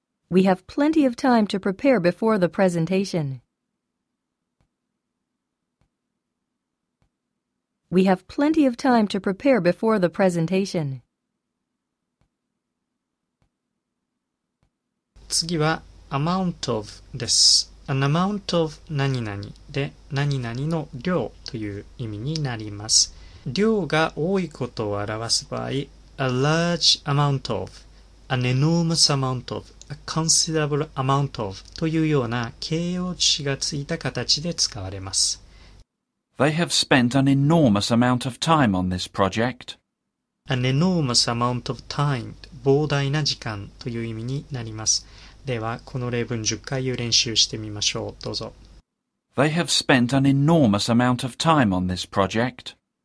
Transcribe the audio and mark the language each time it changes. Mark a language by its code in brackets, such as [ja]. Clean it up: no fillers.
[en] We have plenty of time to prepare before the presentation. We have plenty of time to prepare before the presentation. [ja] 次は amount of です。 An amount of 何々で何々の量という意味になります。量が多いことを表す場合、a large amount of、an enormous amount of、a considerable amount of というような形容詞がついた形で使われます。 [en] They have spent an enormous amount of time on this project. [ja] An enormous amount of time、膨大な時間という意味になります。ではこの例文10回練習してみましょう。どうぞ。 [en] They have spent an enormous amount of time on this project.